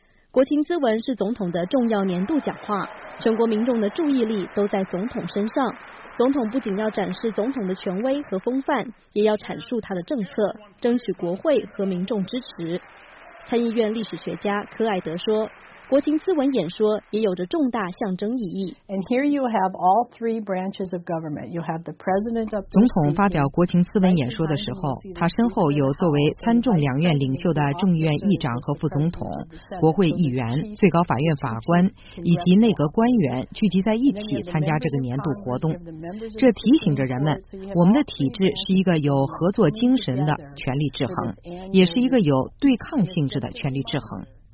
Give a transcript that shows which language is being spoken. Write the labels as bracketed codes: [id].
[zh] 国情咨文是总统的重要年度讲话，全国民众的注意力都在总统身上。总统不仅要展示总统的权威和风范，也要阐述他的政策，争取国会和民众支持。参议院历史学家科艾德说，国情咨文演说也有着重大象征意义。 [en] And here you have all three branches of government. You have the president of [zh] 总统发表国情咨文演说的时候，他身后有作为参众两院领袖的众议院议长和副总统、国会议员、最高法院法官以及内阁官员聚集在一起参加这个年度活动。这提醒着人们，我们的体制是一个有合作精神的权力制衡，也是一个有对抗性质的权力制衡。